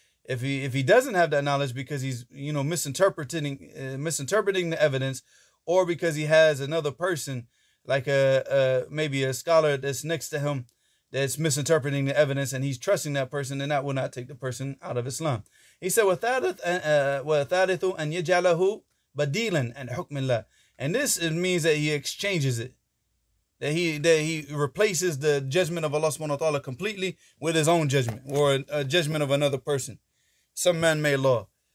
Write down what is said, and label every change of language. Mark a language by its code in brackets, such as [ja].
[en] If he doesn't have that knowledge because he's, you know, misinterpreting the evidence, or because he has another person like maybe a scholar that's next to him that's misinterpreting the evidence and he's trusting that person, then that will not take the person out of Islam. He said, [ar] وَثَالِثُ أَنْ يَجَعْلَهُ بَدِيلًا أَنْ حُكْمِ اللَّهِ. [en] And this it means that he exchanges it. That he replaces the judgment of Allah subhanahu wa ta'ala completely with his own judgment or a judgment of another person. Some man-made law.